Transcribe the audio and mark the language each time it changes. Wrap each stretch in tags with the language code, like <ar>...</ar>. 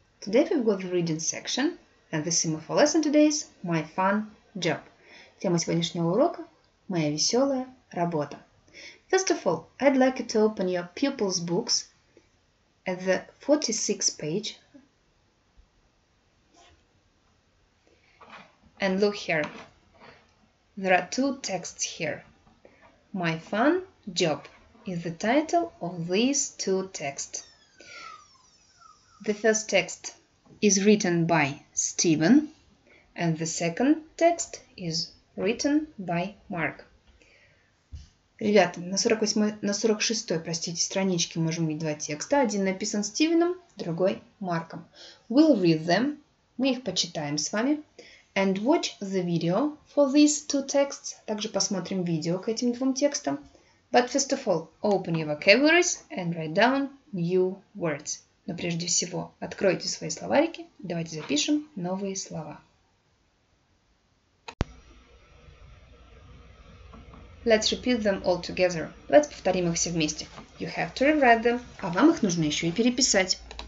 <en>Today we've got the reading section, and the theme of our lesson today is My Fun Job.</en> <ru>Тема сегодняшнего урока – Моя веселая работа.</ru> <en>First of all, I'd like you to open your pupils' books at the 46th page. And look here. There are two texts here. My Fun Job is the title of these two texts. The first text is written by Steven, and the second text is written by Mark.</en> <ru>Ребята, на 46-й страничке можем видеть два текста. Один написан Стивеном, другой Марком.</ru> <en>We'll read them.</en> <ru>Мы их почитаем с вами.</ru> <en>And watch the video for these two texts.</en> <ru>Также посмотрим видео к этим двум текстам.</ru> <en>But first of all, open your vocabularies and write down new words.</en> <ru>Но прежде всего, откройте свои словарики, давайте запишем новые слова.</ru> <en>Let's repeat them all together.</en> <ru>Давайте повторим их все вместе.</ru> <en>You have to rewrite them.</en> <ru>А вам их нужно еще и переписать.</ru>